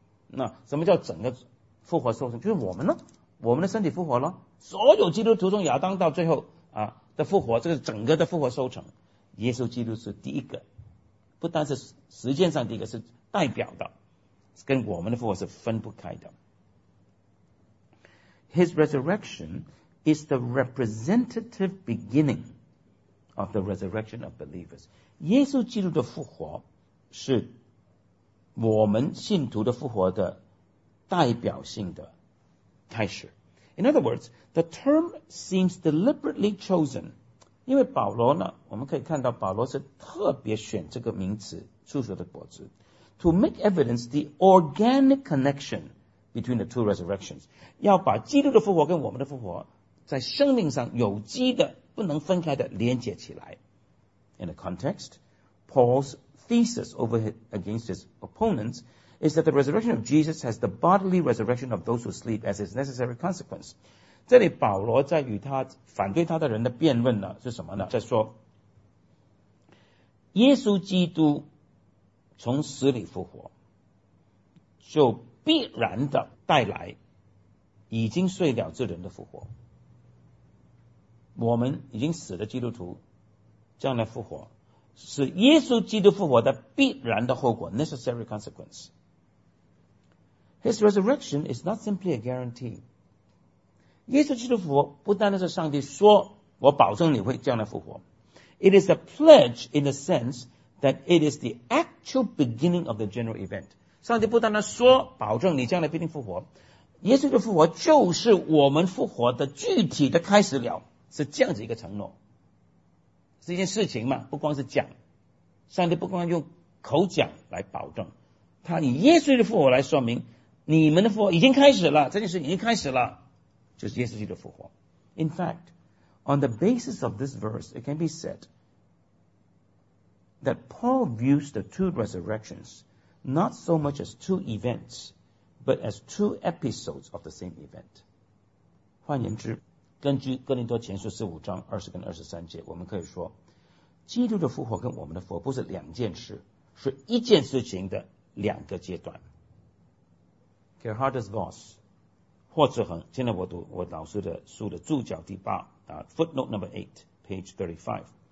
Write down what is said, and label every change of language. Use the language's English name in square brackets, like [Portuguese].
[Chinese] 那什么叫整个复活收成？就是我们呢，我们的身体复活了，所有基督徒从亚当到最后啊的复活，这个整个的复活收成，耶稣基督是第一个，不单是时间上第一个，是代表的，跟我们的复活是分不开的。 [English] His resurrection is the representative beginning of the resurrection of believers. [Chinese] 耶稣基督的复活是我们信徒的复活的代表性的开始。 [English] In other words, the term seems deliberately chosen. [Chinese] 因为保罗呢，我们可以看到保罗是特别选这个名词，出熟的果子， [English] to make evidence the organic connection between the two resurrections. [Chinese] 要把基督的复活跟我们的复活在生命上有机的不能分开的连接起来。 [English] In the context, Paul's thesis over against his opponents is that the resurrection of Jesus has the bodily resurrection of those who sleep as its necessary consequence. [Chinese] 这里保罗在与他反对他的人的辩论呢是什么呢？在说耶稣基督从死里复活就必然的带来已经睡了之人的复活。我们已经死的基督徒将来复活是耶稣基督复活的必然的后果 [English] necessary consequence. His resurrection is not simply a guarantee. [Chinese] 耶稣基督复活不单单是上帝说我保证你会将来复活。 [English] It is a pledge in the sense that it is the actual beginning of the general event. [Chinese] 上帝不单单说保证你将来必定复活，耶稣的复活就是我们复活的具体的开始了，是这样子一个承诺，是一件事情嘛，不光是讲，上帝不光用口讲来保证，他以耶稣的复活来说明你们的复活已经开始了，这件事已经开始了，就是耶稣基督的复活。 [English] In fact, on the basis of this verse, it can be said that Paul views the two resurrections not so much as two events, but as two episodes of the same event. [Chinese] 换言之，根据哥林多前书15:20-23，我们可以说，基督的复活跟我们的复活不是两件事，是一件事情的两个阶段。 Gerhardus Voss, 霍志恒，现在我读我老师的书的注脚第八啊 ， [English] footnote number 8, page 35.